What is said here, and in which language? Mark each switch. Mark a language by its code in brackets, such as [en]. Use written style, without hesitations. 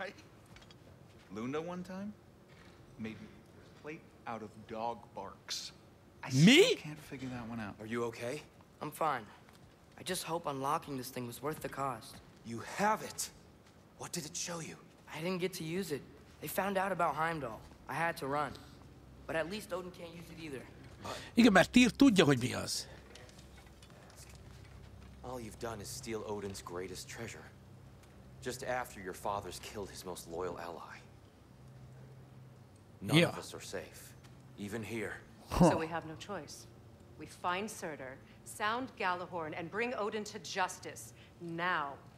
[en] Right? Luna one time made me a plate out of dog barks. Me? I can't figure that one out. Are you okay? I'm fine. I just hope unlocking this thing was worth the cost. You have it. What did it show you? I didn't get to use it. They found out about Heimdall. I had to run. But at least Odin can't use it either. [hu] Igen, mert Tyr tudja, hogy mi az. [en] All you've done is steal Odin's greatest treasure. Just after your father's killed his most loyal ally. None of us are safe. Even here. So we have no choice. We find Surtur, sound Gjallarhorn, and bring Odin to justice. Now.